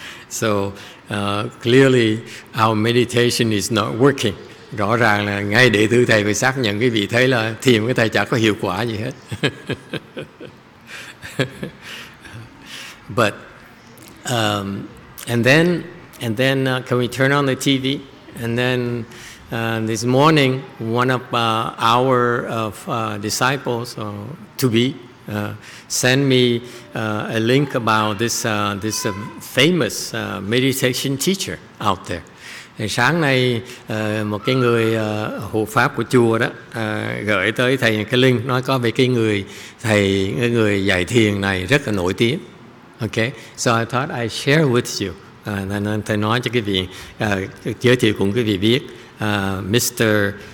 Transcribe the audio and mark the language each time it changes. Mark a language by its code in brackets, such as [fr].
[en] So clearly our meditation is not working. [vi] Rõ ràng là ngay đệ tử thầy phải xác nhận cái vị thế là thiền cái thầy chẳng có hiệu quả gì hết. [en] But and then can we turn on the TV? And then this morning one of our disciples or to be send me a link about this famous meditation teacher out there. [vi] Thì sáng nay một cái người hộ pháp của chùa đó gửi tới thầy cái link, nói có về cái người thầy, cái người dạy thiền này rất là nổi tiếng. [en] Okay, so I thought I'd share with you. [vi] Thầy nói cho quý vị, giới thiệu cùng quý vị biết, Mr.